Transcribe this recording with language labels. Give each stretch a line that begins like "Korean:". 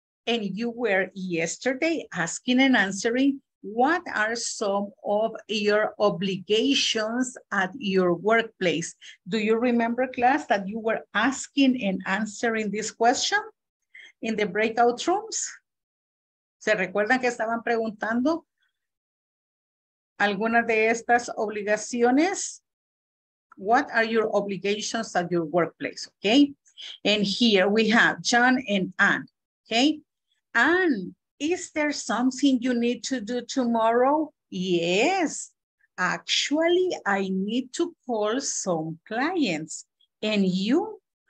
English: And you were yesterday asking and answering, what are some of your obligations at your workplace? Do you remember, class, that you were asking and answering this question in the breakout rooms?
Spanish: ¿Se recuerdan que estaban preguntando algunas de estas obligaciones?
English: What are your obligations at your workplace, okay? And here we have John and Anne, okay? Anne, is there something you need to do tomorrow? Yes, actually I need to call some clients. And you?